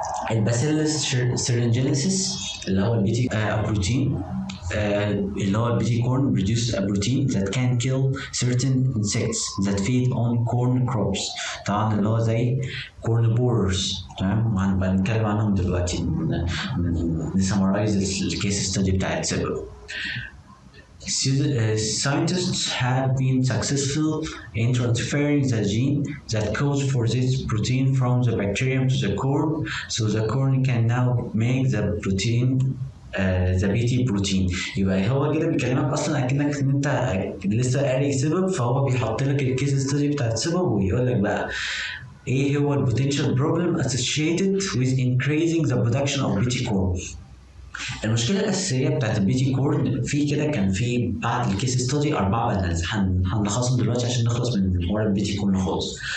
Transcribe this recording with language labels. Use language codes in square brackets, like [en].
[en] الباسيلس سيرينجينيسيس [ar] اللي هو [en] البي T protein, اللي هو البي T corn produces a protein that can kill certain insects that feed on corn crops. [ar] طبعا اللي هو زي كورن بورس. تمام. وهنبقى نتكلم عنهم دلوقتي نسمرايز الكيس ستادي بتاع السبب. [en] Scientists have been successful in transferring the gene that codes for this protein from the bacterium to the corn, so the corn can now make the protein the BT protein. [ar] يبقى هو كده بيكلمك اصلا اكنك انت لسه قاري سبب، فهو بيحط لك الكيس ستادي بتاع السبب ويقول لك بقى ايه هو [en] البوتنشال problem associated with increasing the production of BT corn. [ar] المشكله الاساسيه بتاعت البيتي كورن في كده، كان في بعد الكيس ستادي 4 بانلز، هنلخصهم دلوقتي عشان نخلص من حوار البيتي كورن خالص.